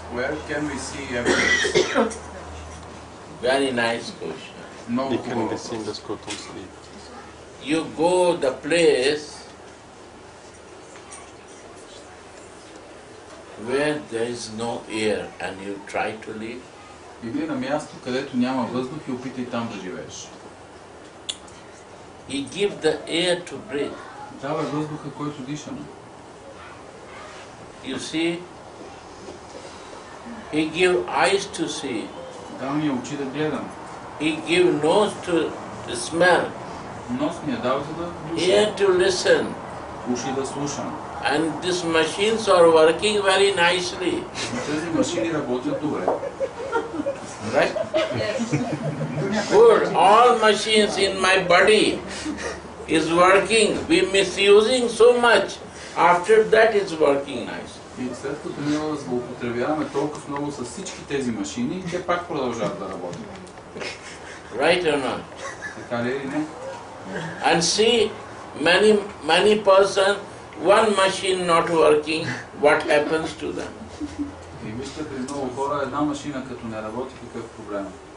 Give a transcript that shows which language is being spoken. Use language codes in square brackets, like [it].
[en] Where can we see evidence? Very nice question. No question. You go the place where there is no air and you try to live. [bg] Иди на място, където няма въздух и опитай там да живееш. [en] He give the air to breathe. [bg] Дава въздуха, който дишаме. [en] You see? He give eyes to see. [bg] Дава ми очи да гледам. [en] He give nose to smell. [bg] Нос ми е дал, за да слушам. [en] Ear to listen. [bg] Уши да слушам. [en] And these machines are working very nicely. [bg] Тези машини работят добре. [en] Right? Good. All machines in my body is working. We misusing so much. After that it's working nice. [bg] И след като ние злоупотребяваме толкова много с всички тези машини, те пак продължават да работят. [en] Right or not? [bg] Така ли или не? [en] And see, many person, one machine not working, what happens to them? [bg] И вижте, при много хора една машина като не работи, какъв проблем?